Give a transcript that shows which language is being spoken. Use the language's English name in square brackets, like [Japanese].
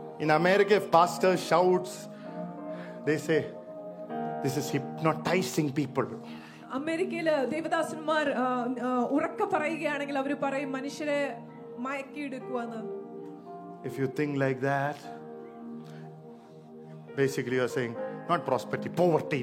[English] In America, if pastor shouts, they say, this is hypnotizing people. [Malayalam] അമേരിക്കയില് ദേവദാസന്മാർ ഉറക്കെ പറയുകയാണെങ്കിൽ അവർ പറയും മനുഷ്യരെ മയക്കിയെടുക്കുവാന്ന്. [English] If you think like that, basically you are saying not prosperity, poverty